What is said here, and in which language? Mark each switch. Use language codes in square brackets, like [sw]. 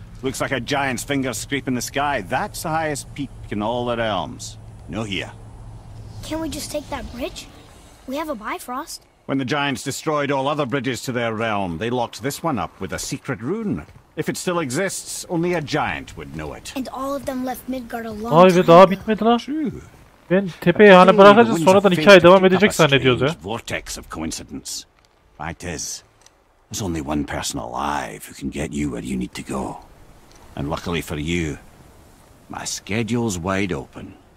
[en] Looks like a giant's finger scraping the sky. That's the highest peak in all the realms. No here. Can't we just take that bridge? We have a Bifrost. When the giants destroyed all other bridges to their realm, they locked this one up with a secret rune. If it still exists, only a giant would know it. And all of them left Midgard alone. [tr] Ay ve daha bitmedi lan. Ben tepeye hani bırakacağız sonradan hikaye devam edecek zannediyordu. [en] Vortex of coincidence. Fact is, there's only one person alive who can get you where you need to go. And luckily for you, my schedule's wide open.